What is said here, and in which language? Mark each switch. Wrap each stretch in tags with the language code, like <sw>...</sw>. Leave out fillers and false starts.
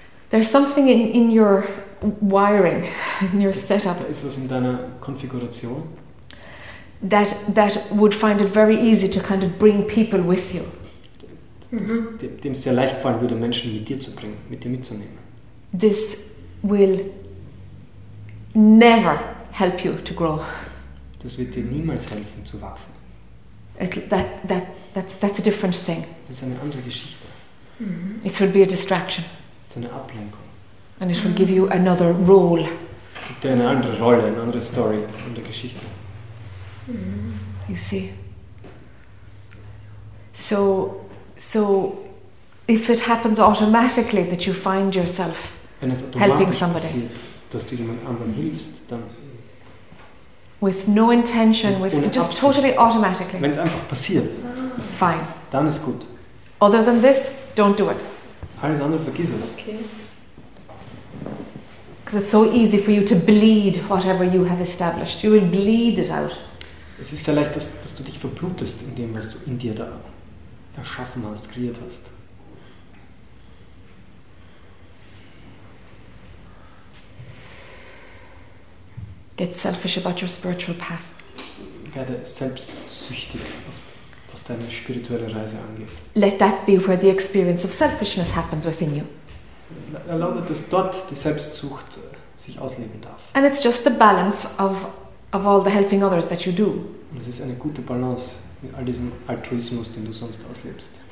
<en>There's something in your wiring, in your setup.</en> <de>Da ist was in deiner Konfiguration.</de> <en>That would find it very easy to kind of bring people with you.</en> <de>Dem es sehr leicht fallen würde, Menschen mit dir zu bringen, mit dir mitzunehmen.</de> <en>This will never help you to grow.</en> <de>Das wird dir niemals helfen, zu wachsen.</de> <en>That's a different thing.</en> <de>Das ist eine andere Geschichte.</de> <en>Mm-hmm. It will be a distraction.</en> <de>Das ist eine Ablenkung.</de> <en>And it will give you another role.</en> <de>Es gibt dir eine andere Rolle, eine andere Story, eine andere Geschichte.</de> <en>Mm-hmm. You see. So, if it happens automatically that you find yourself helping somebody,</en> <de>passiert, dass du jemand anderen hilfst, dann</de> <en>with no intention, with just</en> <de>Absicht.</de> <en>Totally automatically,</en> <de>wenn es einfach passiert,</de> <en>fine,</en> <de>dann ist gut.</de> <en>Other than this, don't do it.</en> <de>Alles andere vergiss es.</de> <en>Because it's so easy for you to bleed whatever you have established. You will bleed it out.</en> <de>Es ist sehr leicht, dass du dich verblutest in dem, was du in dir da erschaffen hast, kreiert hast.</de> <en>Get selfish about your spiritual path.</en> <de>Werde selbstsüchtig, was deine spirituelle Reise angeht.</de> <en>Let that be where the experience of selfishness happens within you.</en> <de>Erlaube, dass dort die Selbstsucht sich ausleben darf.</de> <en>And it's just the balance of all the helping others that you do.</en> <de>Und es ist eine gute Balance. Mit all diesem Altruismus, den du sonst auslebst.</de>